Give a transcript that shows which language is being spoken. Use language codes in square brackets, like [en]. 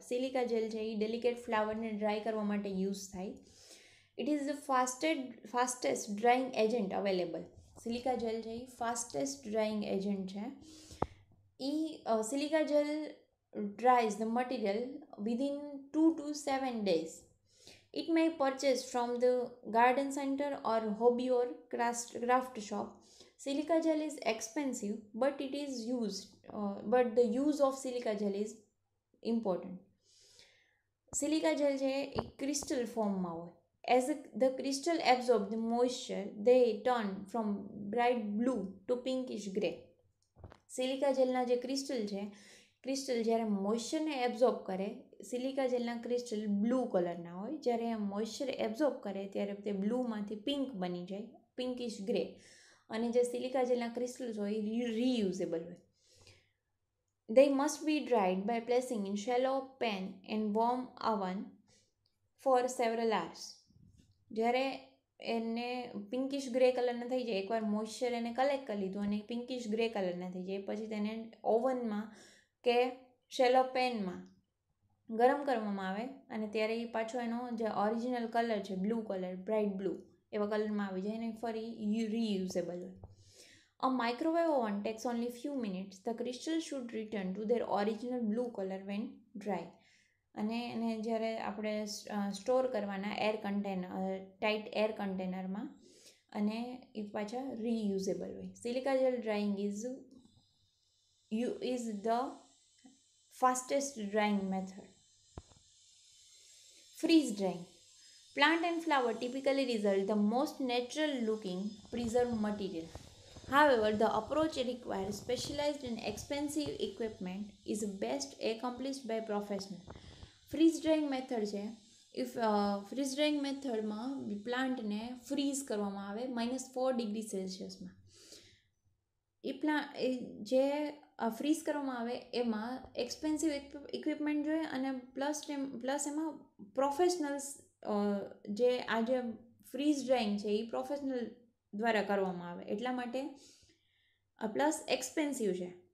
[gu] Silica jail છે એ delicate ફ્લાવરને dry કરવા માટે યુઝ થાય. [en] It is the fastest drying agent available. [gu] Silica jail છે એ ફાસ્ટેસ્ટ ડ્રાઇંગ એજન્ટ છે. [en] ઈ silica gel dries the material within 2 to 7 days. It may purchase from the garden center or hobby or craft shop. Silica gel is expensive, but it is used, but the use of silica gel is important. Silica gel is a crystal form. As the crystal absorb the moisture, they turn from bright blue to pinkish gray. [gu] Silica gel na je crystal che crystal જ્યારે મોઇશ્ચરને absorb કરે, silica જેલના crystal blue કલરના હોય, જ્યારે એ moisture absorb કરે ત્યારે તે બ્લુમાંથી pink બની જાય, પિંકિશ ગ્રે. અને જે સિલિકા જેલના ક્રિસ્ટલ્સ હોય રીયુઝેબલ હોય. [en] They must be dried by placing in shallow pan and warm oven for several hours. [gu] જ્યારે એને પિંકિશ ગ્રે કલરના થઈ જાય, એકવાર મોઇશ્ચર એને કલેક્ટ કરી લીધું અને પિંકિશ ગ્રે કલરના થઈ જાય, પછી તેને ઓવનમાં કે શેલો પેનમાં ગરમ કરવામાં આવે અને ત્યારે એ પાછો એનો જે ઓરિજિનલ કલર છે બ્લુ કલર, બ્રાઇટ બ્લુ એવા કલરમાં આવી જાય અને ફરી રીયુઝેબલ હોય. [en] A microwave oven takes only few minutes. The crystal should return to their original blue colour when dry. [gu] અને એને જ્યારે આપણે સ્ટોર કરવાના એર કન્ટેનર, ટાઇટ એર કન્ટેનરમાં, અને એ પાછા રીયુઝેબલ હોય. [en] Silica gel drying is the fastest drying method. Freeze drying. Plant and flower typically result the most natural looking preserved material. However, the approach requires specialized and expensive equipment is best accomplished by professional. [gu] Freeze drying method છે. If freeze drying method માં plant ને freeze કરવામાં આવે -4 degrees Celsius માં. એ plant જે fridge કરવામાં આવે એમાં એક્સપેન્સિવ ઇક્વિપમેન્ટ જોઈએ અને પ્લસ એમાં પ્રોફેશનલ્સ, જે આ જે ફ્રીઝ ડ્રાઇંગ છે એ પ્રોફેશનલ દ્વારા કરવામાં આવે, એટલા માટે પ્લસ એક્સપેન્સિવ છે.